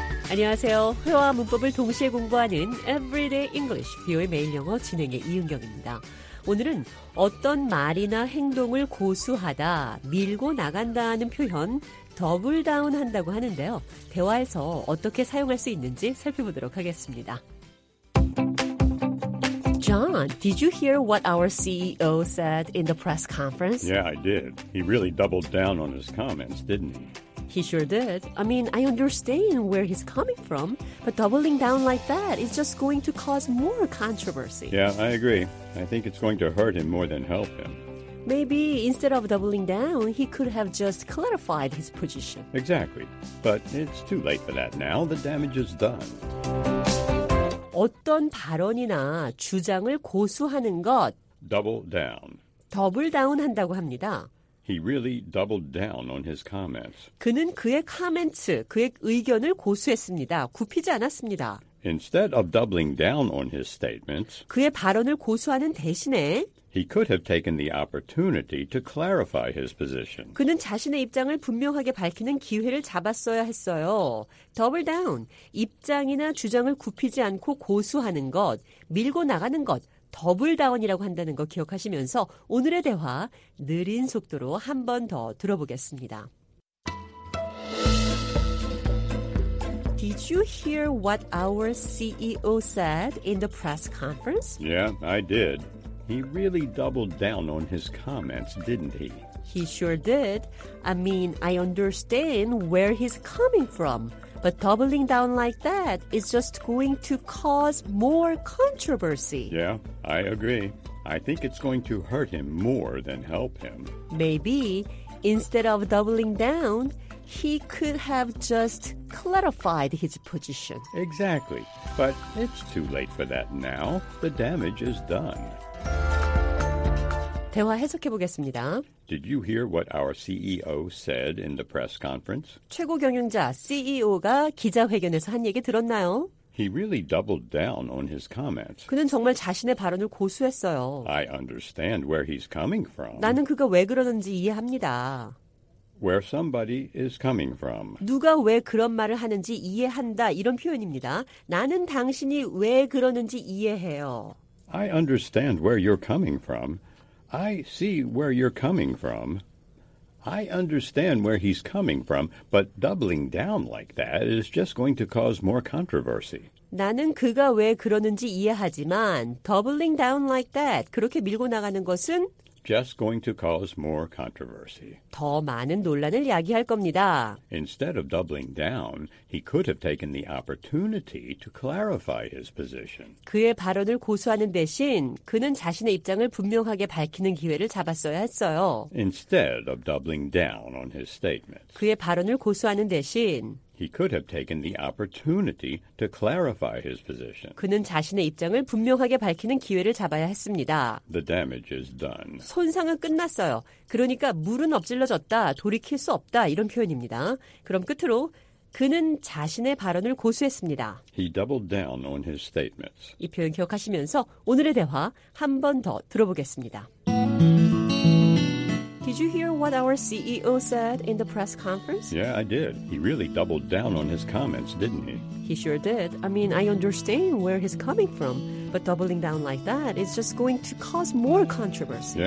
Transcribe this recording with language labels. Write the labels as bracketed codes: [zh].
[ko] 안녕하세요. 회화 문법을 동시에 공부하는 Everyday English, 비오의 매일 영어 진행의 이은경입니다. 오늘은 어떤 말이나 행동을 고수하다, 밀고 나간다는 표현 더블 다운 한다고 하는데요. 대화에서 어떻게 사용할 수 있는지 살펴보도록 하겠습니다. [en] John, did you hear what our CEO said in the press conference? Yeah, I did. He really doubled down on his comments, didn't he? He sure did. I mean, I understand where he's coming from, but doubling down like that is just going to cause more controversy. Yeah, I agree. I think it's going to hurt him more than help him. Maybe instead of doubling down, he could have just clarified his position. Exactly. But it's too late for that now. The damage is done. [ko] 어떤 발언이나 주장을 고수하는 것. [en] Double down. [ko] 더블 다운 한다고 합니다. [en] He really doubled down on his comments. [ko] 그는 그의 코멘트, 그의 의견을 고수했습니다. 굽히지 않았습니다. [en] Instead of doubling down on his statements, [ko] 그의 발언을 고수하는 대신에 [en] he could have taken the opportunity to clarify his position. [ko] 그는 자신의 입장을 분명하게 밝히는 기회를 잡았어야 했어요. [en] Double down, [ko] 입장이나 주장을 굽히지 않고 고수하는 것, 밀고 나가는 것, 더블 다운이라고 한다는 거 기억하시면서 오늘의 대화 느린 속도로 한 번 더 들어보겠습니다. [en] Did you hear what our CEO said in the press conference? Yeah, I did. He really doubled down on his comments, didn't he? He sure did. I mean, I understand where he's coming from. But doubling down like that is just going to cause more controversy. Yeah, I agree. I think it's going to hurt him more than help him. Maybe instead of doubling down, he could have just clarified his position. Exactly. But it's too late for that now. The damage is done. [ko] 대화 해석해 보겠습니다. [en] Did you hear what our CEO said in the press conference? [ko] 최고 경영자 CEO가 기자회견에서 한 얘기 들었나요? [en] He really doubled down on his comments. [ko] 그는 정말 자신의 발언을 고수했어요. [en] I understand where he's coming from. [ko] 나는 그가 왜 그러는지 이해합니다. [en] Where somebody is coming from. [ko] 누가 왜 그런 말을 하는지 이해한다 이런 표현입니다. 나는 당신이 왜 그러는지 이해해요. [en] I understand where you're coming from. I see where you're coming from. I understand where he's coming from, but doubling down like that is just going to cause more controversy. [ko] 나는 그가 왜 그러는지 이해하지만, [en] doubling down like that, [ko] 그렇게 밀고 나가는 것은 [en] just going to cause more controversy. [ko] 더 많은 논란을 야기할 겁니다. [en] Instead of doubling down, he could have taken the opportunity to clarify his position. [ko] 그의 발언을 고수하는 대신 그는 자신의 입장을 분명하게 밝히는 기회를 잡았어야 했어요. [en] Instead of doubling down on his statements. [ko] 그의 발언을 고수하는 대신 [en] he could have taken the opportunity to clarify his position. [ko] 그는 자신의 입장을 분명하게 밝히는 기회를 잡아야 했습니다. [en] The damage is done. [ko] 손상은 끝났어요. 그러니까 물은 엎질러졌다, 돌이킬 수 없다 이런 표현입니다. 그럼 끝으로 그는 자신의 발언을 고수했습니다. [en] He doubled down on his statements. [ko] 이 표현 기억하시면서 오늘의 대화 한 번 더 들어보겠습니다. [en] Did you hear what our CEO said in the press conference? Yeah, I did. He really doubled down on his comments, didn't he? He sure did. I mean, I understand where he's coming from, but doubling down like that is just going to cause more controversy.